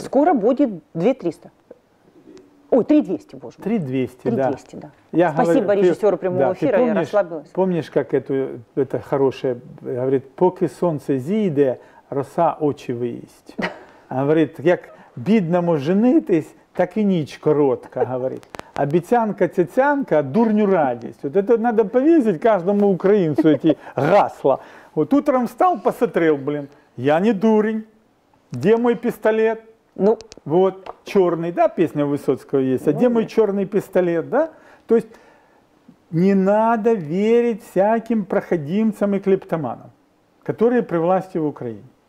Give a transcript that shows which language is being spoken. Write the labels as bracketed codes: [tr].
[ru] Скоро будет 2300. Ой, 3200, боже мой. 3200, да. Я спасибо говорю, режиссеру прямого эфира, ты помнишь, я расслабилась. Помнишь, как это хорошее, говорит, [uk] «Поки солнце зійде, роса очи виїсть». [ru] Она говорит, как [uk] бідному женитись, так и ніч коротка, говорит. Обіцянка-цяцянка, дурню радість. [ru] Вот это надо повесить каждому українцу эти гасла. Вот утром встал, посмотрел, блин, я не дурень. Где мой пистолет? Ну. Вот, черный, да, песня Высоцкого есть. А где мой черный пистолет, да? То есть не надо верить всяким проходимцам и клептоманам, которые при власти в Украине.